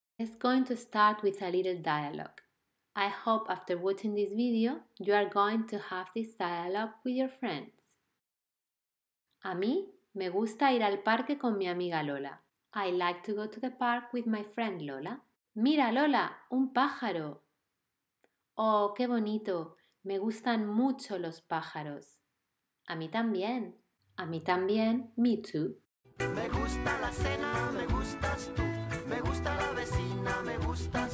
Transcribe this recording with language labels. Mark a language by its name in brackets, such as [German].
[English] It's going to start with a little dialogue. I hope after watching this video, you are going to have this dialogue with your friends. [Spanish] A mí me gusta ir al parque con mi amiga Lola. [English] I like to go to the park with my friend Lola. [Spanish] Mira Lola, un pájaro. ¡Oh, qué bonito! Me gustan mucho los pájaros. A mí también. A mí también, [English] me too. [Spanish] Me gusta la cena, me gustas tú. Me gusta la vecina, me gustas